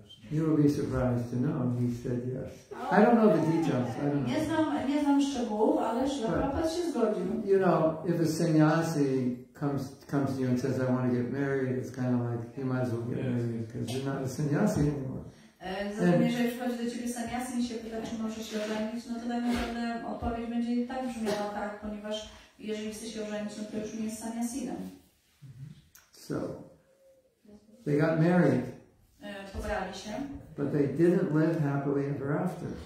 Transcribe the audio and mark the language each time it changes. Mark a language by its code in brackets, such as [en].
[en] You will be surprised to know he said yes. I don't know the details. I don't know. [pl] Nie znam szczegółów, ale Prabhupada się zgodził. [en] You know, if a sannyasi comes to you and says, I want to get married, it's kind of like, you might as well get married because you're not a sannyasi anymore. [pl] Zatem, jeżeli przychodzi do ciebie sannyasi i się pyta, czy może się ożenić, no to dajmy, że odpowiedź będzie tak brzmiała, tak, ponieważ jeżeli chce się ożenić, no to już nie jest sannyasinem. [en] So, they got married. [pl] pobrali się. [en] But they didn't live happily ever after.